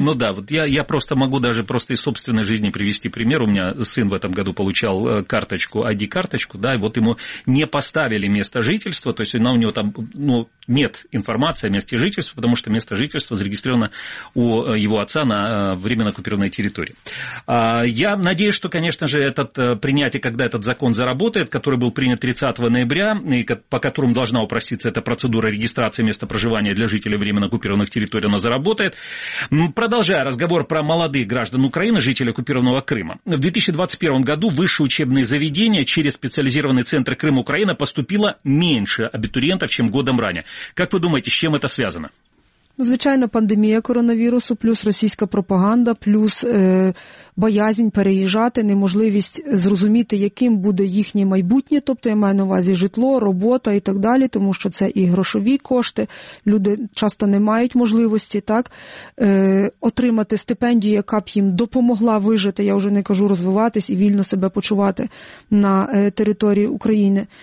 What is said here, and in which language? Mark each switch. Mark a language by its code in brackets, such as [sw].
[ru] Ну да, [uk] от я просто можу [ru] даже просто [uk] із собственної житті привести приклад. У мене син [ru] в этом году получал карточку, [uk] ID-карточку, да, і вот йому не поставили місце жительства, [ru] то есть [uk] вона у нього там, ну, [ru] нет [uk] інформації о місці жительства, тому що місце жительства зарегістровано у його отца [ru] на временно оккупированной территории. Я надеюсь, что, конечно же, это принятие, когда этот закон заработает, который был принят 30 ноября, и по которому должна упроститься эта процедура регистрации места проживания для жителей временно оккупированных территорий, она заработает. Продолжая разговор про молодых граждан Украины, жителей оккупированного Крыма. В 2021 году в высшие учебные заведения через специализированный центр Крым-Украина поступило меньше абитуриентов, чем годом ранее. Как вы думаете, с чем это связано? [uk] Звичайно, пандемія коронавірусу, плюс російська пропаганда, плюс боязнь переїжджати, неможливість зрозуміти, яким буде їхнє майбутнє, тобто я маю на увазі житло, робота і так далі, тому що це і грошові кошти, люди часто не мають можливості так отримати стипендію, яка б їм допомогла вижити, я вже не кажу розвиватись і вільно себе почувати на території України.